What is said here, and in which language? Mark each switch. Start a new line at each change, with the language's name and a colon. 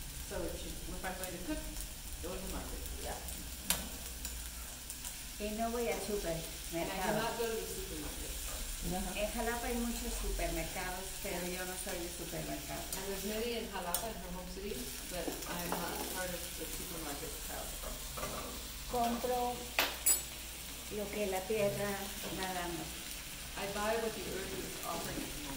English: So if I'm going to cook, go to the market. Yeah.
Spanish: No voy a supermercado.
English: And I do not go to the supermarket. Uh-huh.
Spanish: En Jalapa hay muchos supermercados, pero yo no soy de supermercado.
English: And there's many in Jalapa, in her home city, but I'm not part of the supermarket crowd.
Spanish: Compro lo que la tierra está dando.
English: I buy what the earth is offering.